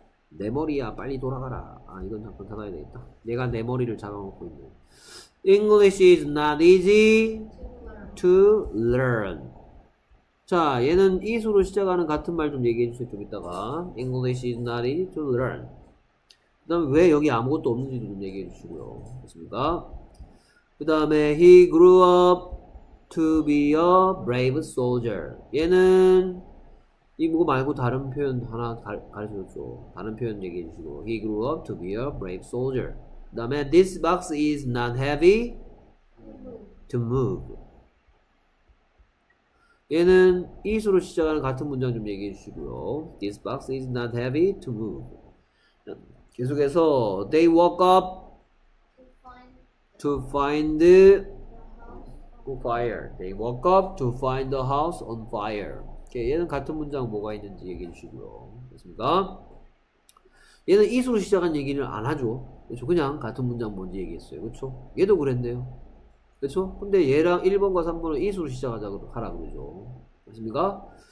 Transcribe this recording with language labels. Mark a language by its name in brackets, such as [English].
[Korean] 내 머리야 빨리 돌아가라 아 이건 잠깐 닫아야 되겠다 내가 내 머리를 잡아먹고 있네 [English] English is not easy to learn [Korean] 자, 얘는 is로 시작하는 같은 말좀 얘기해 주세요. 좀 이따가 [English] English is not easy to learn. [Korean] 그다음에 왜 여기 아무것도 없는지도 좀 얘기해 주시고요. 됐습니까? 그다음에 [English] he grew up to be a brave soldier. [Korean] 얘는 이거 말고 다른 표현 하나 가르쳐 줬죠. 다른 표현 얘기해 주시고. [English] He grew up to be a brave soldier. [Korean] 그다음에 [English] this box is not heavy to move. [Korean] 얘는 is로 시작하는 같은 문장 좀 얘기해 주시고요. [English] This box is not heavy to move. [Korean] 계속해서 [English] they woke up They woke up to find the house on fire. [Korean] 얘는 같은 문장 뭐가 있는지 얘기해 주시고요. 됐습니까? 얘는 is로 시작한 얘기를 안 하죠. 그렇죠? 그냥 같은 문장 뭔지 얘기했어요. 그렇죠? 얘도 그랬네요. 그렇죠? 근데 얘랑 1번과 3번은 is로 시작하자고 하라 그러죠. 맞습니까?